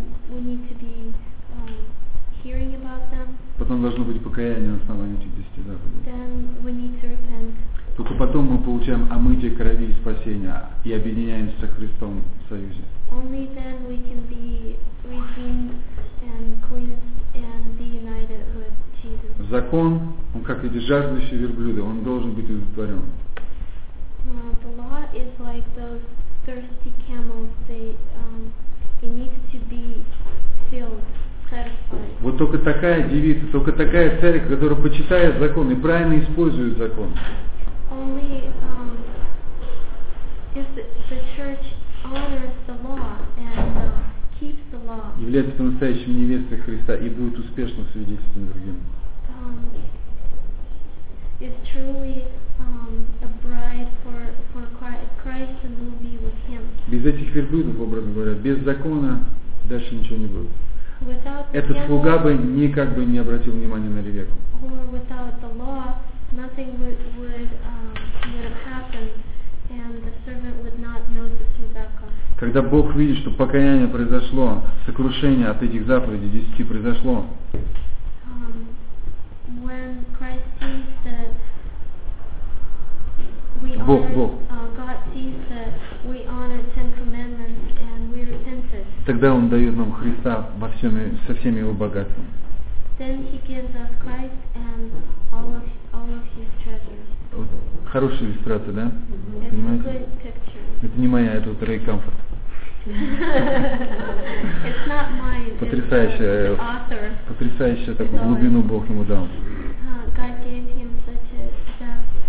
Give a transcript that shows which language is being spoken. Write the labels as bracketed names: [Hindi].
[English] We need to be hearing about them. [Russian] Потом должно быть покаяние на основании этих 10 заповедей. [English] Then we need to repent. [Russian] Только потом мы получаем омытие крови и спасения и объединяемся со Христом в союзе. [English] Only then we can be redeemed and cleansed and be united with Jesus. [Russian] Закон, он как эти жаждущие верблюды, он должен быть удовлетворен. [English] The law is like those thirsty camels. They need to be filled. [Russian] Вот только такая девица, только такая церковь, которая почитает закон и правильно использует закон. [English] Only if the church honors the law and keeps the law. [Russian] Является по-настоящему невестой Христа и будет успешным свидетелем другим. [English] Is truly a bride for Christ and will be with him. [Russian] Без этих верблюдов, образно говоря, без закона дальше ничего не будет. [English] Without the [Russian] Этот слуга бы никак бы не обратил внимания на Ревеку. [English] Or without the law, nothing would have happened, and the servant would not notice Rebecca. [Russian] Когда Бог видит, что покаяние произошло, сокрушение от этих заповедей десяти произошло. [English] When Christ sees that we God sees that we honor Ten Commandments. [Russian] Тогда Он дает нам Христа во всем, со всеми Его богатством. [English] Then he gives us Christ and all of his treasures. [Russian] Хорошая иллюстрация, да? [English] It's [Russian] понимаете? [English] A good picture. [Russian] Это не моя, это вот Рэй Камфорд. [English] It's not mine, it's [Russian] потрясающая, [English] the author. [Russian] Потрясающая такую [English] God. [Russian] Глубину Бог ему дал. [English] God gave him such a depth.